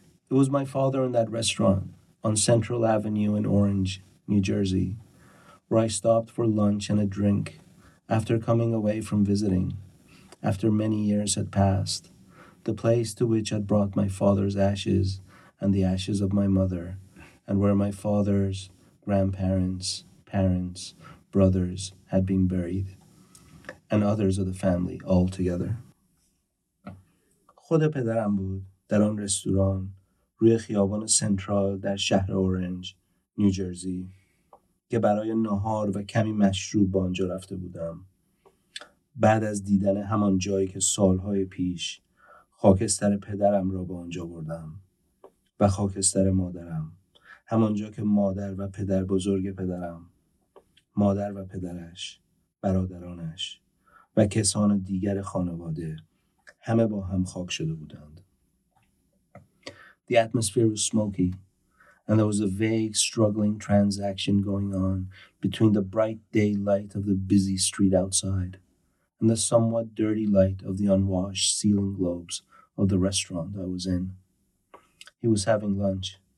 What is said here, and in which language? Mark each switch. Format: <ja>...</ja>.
<en>It was my father in that restaurant on Central Avenue in Orange, New Jersey, where I stopped for lunch and a drink after coming away from visiting, after many years had passed, the place to which had brought my father's ashes and the ashes of my mother, and where my father's grandparents, parents, brothers had been buried, and others of the family all together.</en> <fa>خود پدرم بود در آن رستوران روی خیابان سنترال در شهر اورنج، نیو جرزی که برای نهار و کمی مشروب با آنجا رفته بودم. بعد از دیدن همان جایی که سالهای پیش خاکستر پدرم را به آنجا بردم و خاکستر مادرم، همانجا که مادر و پدر بزرگ پدرم، مادر و پدرش، برادرانش و کسان دیگر خانواده همه با هم خاک شده بودند.</fa> <en>The atmosphere was smoky and there was a vague struggling transaction going on between the bright daylight of the busy street outside and the somewhat dirty light of the unwashed ceiling globes of the restaurant I was in. He was having lunch.</en>